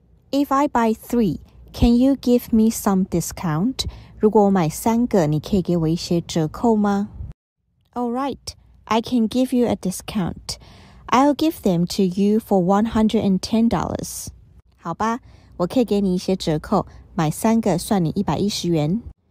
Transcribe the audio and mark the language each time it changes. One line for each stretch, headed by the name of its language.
English: If I buy three, can you give me some discount?
Chinese: 如果我买三个，你可以给我一些折扣吗？
English: All right, I can give you a discount. I'll give them to you for $110.
Chinese: 好吧，我可以给你一些折扣，买三个算你110元。